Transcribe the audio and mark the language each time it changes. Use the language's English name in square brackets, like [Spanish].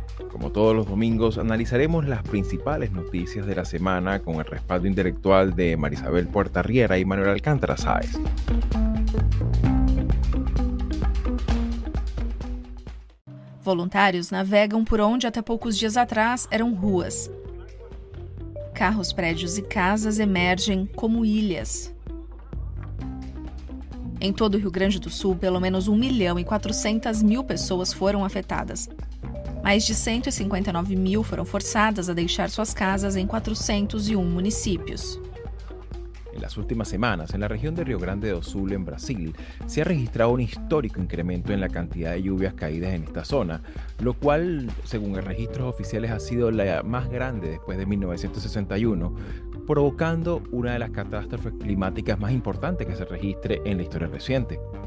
[Spanish] Como todos los domingos, analizaremos las principales noticias de la semana con el respaldo intelectual de Marisabel Puerta Riera y Manuel Alcántara Sáez. [Portuguese] Voluntários navegam por onde até poucos dias atrás eram ruas. Carros, prédios e casas emergem como ilhas. Em todo o Rio Grande do Sul, pelo menos 1.400.000 pessoas foram afetadas. Mais de 159 mil foram forçadas a deixar suas casas em 401 municípios. [Spanish] En las últimas semanas, en la región de Río Grande do Sul, en Brasil, se ha registrado un histórico incremento en la cantidad de lluvias caídas en esta zona, lo cual, según registros oficiales, ha sido la más grande después de 1961, provocando una de las catástrofes climáticas más importantes que se registre en la historia reciente.